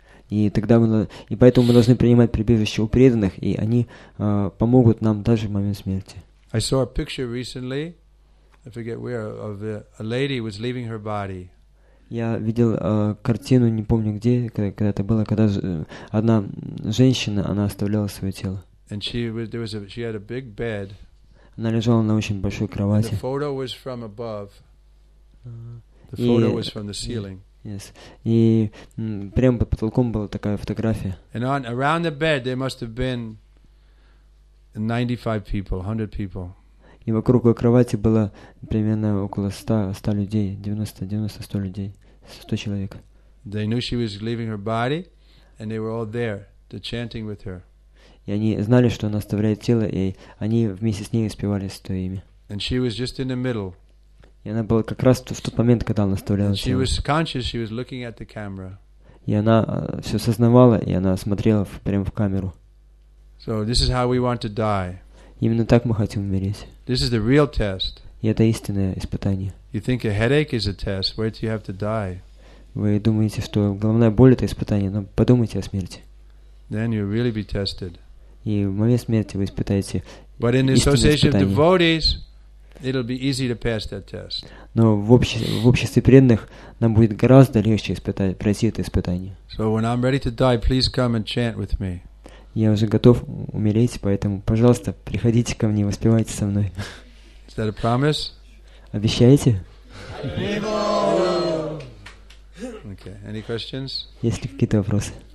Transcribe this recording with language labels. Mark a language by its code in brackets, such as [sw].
[ru] И поэтому мы должны принимать прибежище у преданных, и они помогут нам даже в момент смерти. [en] I saw a picture recently, I forget where, of a lady who was leaving her body. [ru] Я видел картину, не помню где, когда это было, когда одна женщина, она оставляла свое тело. [en] And she had a big bed. [ru] Она лежала на очень большой кровати. [en] The photo was from above. The photo was from the ceiling. Yes. [ru] И прямо под потолком была такая фотография. [en] And on around the bed there must have been 95 people, 100 people. [ru] И вокруг кровати было примерно около 100 людей, 90-100 людей, 100 человек. [en] They knew she was leaving her body, and they were all there, to chanting with her. [ru] И они знали, что она оставляет тело, и они вместе с ней спевали святое имя. [en] And she was just in the middle. [ru] И она была как раз в тот момент, когда она оставляла тело. [en] She was conscious, she was looking at the camera. [ru] И она все сознавала, и она смотрела прямо в камеру. [en] So this is how we want to die. [ru] Именно так мы хотим умереть. [en] This is the real test. [ru] И это истинное испытание. [en] You think a headache is a test? Where do you have to die? [ru] Вы думаете, что головная боль это испытание? Но подумайте о смерти. [en] Then you'll really be tested. [ru] И в момент смерти вы испытаете. [en] But in the association of devotees, It'll be easy to pass that test. [ru] Но в обществе преданных нам будет гораздо легче пройти это испытание. [en] So when I'm ready to die, please come and chant with me. [ru] Я уже готов умереть, поэтому, пожалуйста, приходите ко мне, воспевайте со мной. [en] Is that a promise? [ru] Обещаете? [en] Okay. Any questions? [ru] Есть ли какие-то вопросы?